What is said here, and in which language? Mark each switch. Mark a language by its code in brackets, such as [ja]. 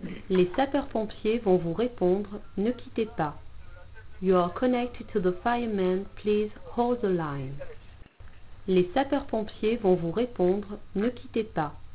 [fr] Les sapeurs-pompiers vont vous répondre, ne quittez pas. [en] You are connected to the firemen, please hold the line. [fr] Les sapeurs-pompiers vont vous répondre, ne quittez pas.